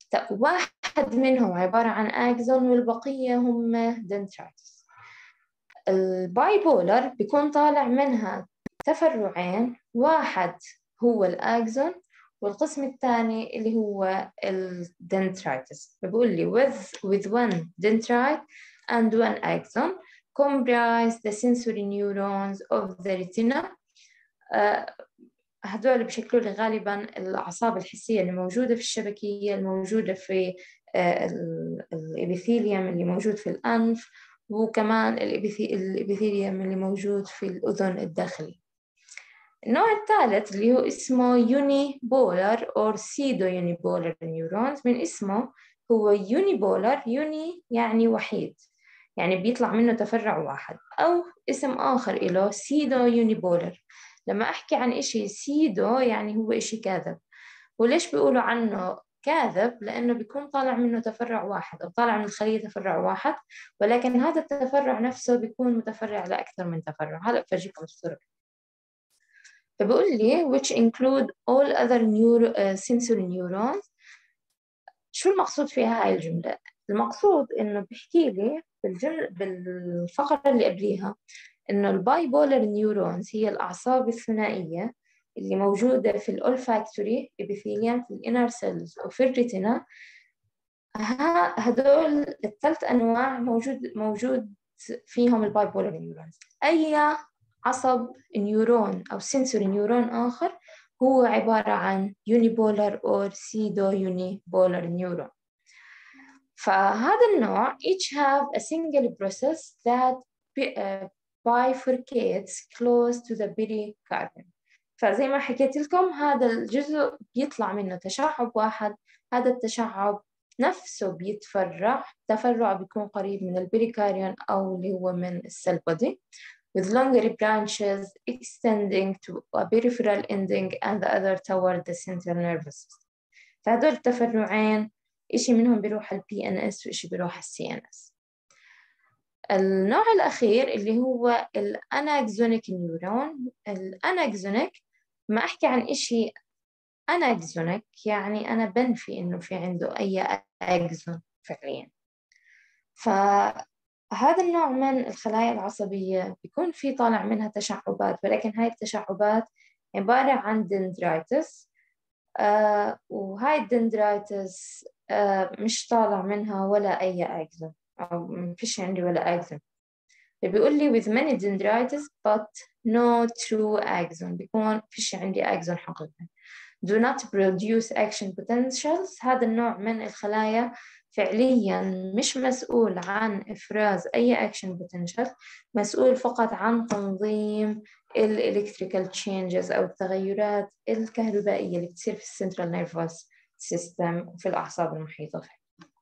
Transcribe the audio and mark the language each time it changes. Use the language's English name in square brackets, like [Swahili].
[Arabic] واحد منهم عبارة عن أكسون والبقية هم دنترايتس. الباي بولر بيكون طالع منها تفرعين، واحد هو الأكسون والقسم الثاني اللي هو الدنترايتس. بيقول لي [English] with one dendrite and one axon comprise the sensory neurons of the retina. [Arabic] هذول بشكلوا لي غالبا الاعصاب الحسيه اللي موجوده في الشبكيه، الموجوده في الابيثيليوم اللي موجود في الانف، وكمان الابيثيليوم اللي موجود في الاذن الداخلي. النوع الثالث اللي هو اسمه يوني بولر او سيدو يوني بولر نيورونز، من اسمه هو يوني بولر، يوني يعني وحيد، يعني بيطلع منه تفرع واحد، او اسم اخر له سيدو يوني بولر. لما أحكي عن إشي سيدو يعني هو إشي كاذب، وليش بيقولوا عنه كاذب؟ لأنه بيكون طالع منه تفرع واحد أو طالع من الخلية تفرع واحد، ولكن هذا التفرع نفسه بيكون متفرع لأكثر من تفرع. هلأ بفرجيكم الصورة. فبيقول لي [English] which include all other sensory neurons. [Arabic] شو المقصود في هاي الجملة؟ المقصود إنه بيحكي لي بالفقرة اللي قبليها إنه الباي بولر نيورونز هي الأعصاب الثنائية اللي موجودة في الأولفاكتوري إبيثيليوم في الإنر سيلز وفي الريتنا. هدول الثلاث أنواع موجود فيهم الباي بولر نيورونز. أي عصب نيورون أو سنسوري نيورون آخر هو عبارة عن يوني بولر أو سيدو يوني بولر نيورون. فهذا النوع [English] each have a single process that bifurcates close to the pericardium. [Arabic] فزي ما حكيت لكم هذا الجزء بيطلع منه تشعب واحد، هذا التشعب نفسه بيتفرع، تفرع بيكون قريب من البيريكاريون أو اللي هو من السيل بودي، [English] with longer branches extending to a peripheral ending and the other toward the central nervous system. [Arabic] فهذول التفرعين إشي منهم بيروح الـ PNS وإشي بيروح الـ CNS. النوع الأخير اللي هو الأناكزونيك نيورون. الأناكزونيك ما أحكي عن إشي أناكزونيك يعني أنا بنفي إنه في عنده أي أكزون فعليا. هذا النوع من الخلايا العصبية بيكون في طالع منها تشعبات، ولكن هاي التشعبات عبارة عن دندرايتس. وهاي الدندرايتس مش طالع منها ولا أي أكزم، أو ما فيش عندي ولا أكزم. [English] بيقول لي with many dendrites but no true axon، [Arabic] بيكون فيش عندي axon حقيقي. [English] do not produce action potentials، [Arabic] هذا النوع من الخلايا فعليا مش مسؤول عن افراز اي action potential، مسؤول فقط عن تنظيم ال electrical changes او التغيرات الكهربائية اللي بتصير في central nervous system في الاعصاب المحيطة فيه.